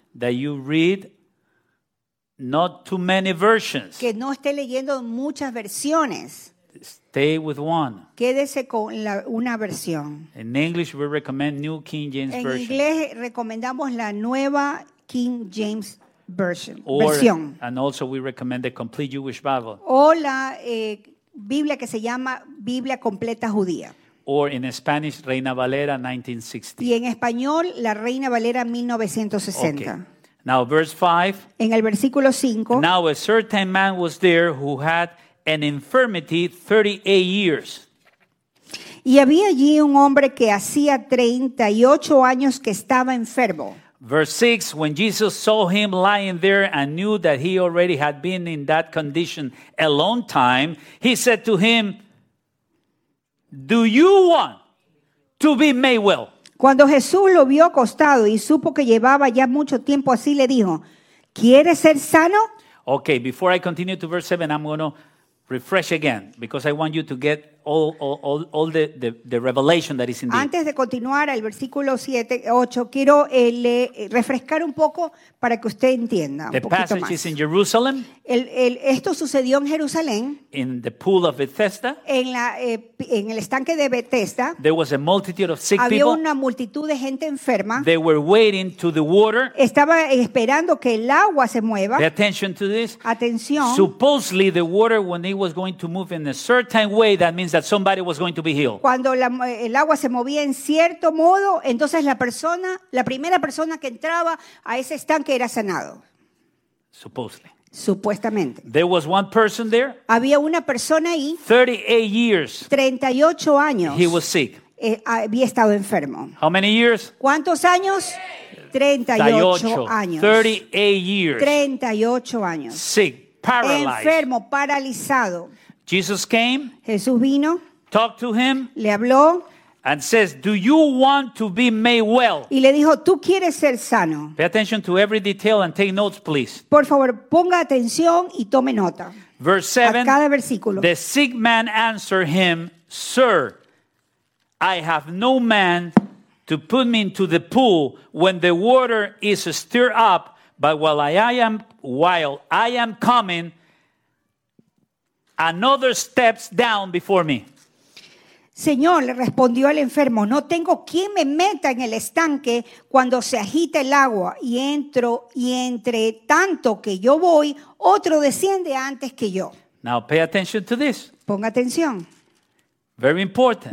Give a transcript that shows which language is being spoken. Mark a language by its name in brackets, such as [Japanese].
[English] that you read not too many versions. [Spanish] Que no esté leyendo muchas versiones. [English] Stay with one. [Spanish] Quédese con una versión. [English] In English, we recommend New King James [Spanish] en [English] Version. [Spanish] En inglés, recomendamos la nueva King James Version. [English] And also we recommend the complete Jewish Bible. [Spanish] O la Biblia que se llama Biblia Completa Judía. [English] Or in Spanish, Reina Valera 1960. [Spanish] Y en español, la Reina Valera 1960. [English] Okay. Now verse 5. [Spanish] En el versículo 5. [English] Now a certain man was there who had an infirmity 38 years. [Spanish] Y había allí un hombre que hacía 38 años que estaba enfermo. [English] Verse 6, when Jesus saw him lying there and knew that he already had been in that condition a long time, he said to him, do you want to be made well. [Spanish] Cuando Jesús lo vio acostado y supo que llevaba ya mucho tiempo así, le dijo, ¿quieres ser sano? [English] Okay, before I continue to verse 7, I'm going to refresh again because I want you to get all the revelation that is in there. [Spanish] Antes de continuar al versículo 7-8, quiero refrescar un poco para que usted entienda. [English] The passage is in Jerusalem. [Spanish] Esto sucedió en Jerusalén. [English] In the pool of Bethesda. [Spanish] En el estanque de Bethesda. [English] There was a multitude of sick [Spanish] había [English] people. [Spanish] Había una multitud de gente enferma. [English] They were waiting to the water. [Spanish] Estaba esperando que el agua se mueva. [English] Pay attention to this. [Spanish] Atención. [English] Supposedly the water when it was going to move in a certain way that means that somebody was going to be healed. [Spanish] Cuando el agua se movía en cierto modo, entonces la primera persona que entraba a ese estanque era sanado. [English] Supposedly. [Spanish] Supuestamente. [English] There was one person there. [Spanish] Había una persona ahí. [English] 38 years. [Spanish] 38 años. [English] He was sick. [Spanish] Había estado enfermo. [English] How many years? [Spanish] ¿Cuántos años? 38 años. [English] 38 years. [Spanish] 38 años. [English] Sick, paralyzed. [Spanish] Enfermo, paralizado. [English] Jesus came. [Spanish] Jesús vino. [English] Talked to him. [Spanish] Le habló. [English] And says, "Do you want to be made well?" [Spanish] Y le dijo, "¿Tú quieres ser sano?" [English] Pay attention to every detail and take notes, please. [Spanish] Por favor, ponga atención y tome nota. [English] Verse 7. [Spanish] A cada versículo. [English] The sick man answered him, "Sir, I have no man to put me into the pool when the water is stirred up, but while I am coming, another steps down before me." [Spanish] Señor, le respondió el enfermo, no tengo quien me meta en el estanque cuando se agita el agua y entro y entre tanto que yo voy, otro desciende antes que yo. [English] Now pay attention to this. [Spanish] Ponga atención. [English] Very important.